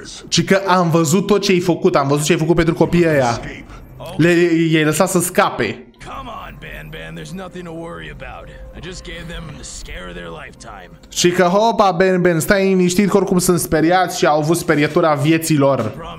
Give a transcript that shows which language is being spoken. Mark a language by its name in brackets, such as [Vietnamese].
[Romanian] Și că am văzut tot ce ai făcut, am văzut ce ai făcut pentru copiii ăia. I-ai lăsat să scape. [English] Come on, Ban-Ban, there's nothing to worry about. I just gave them the scare of their lifetime. [Romanian] Și că hopa, Ban-Ban, stai liniștit, oricum sunt speriați și au avut sperietura vieții lor.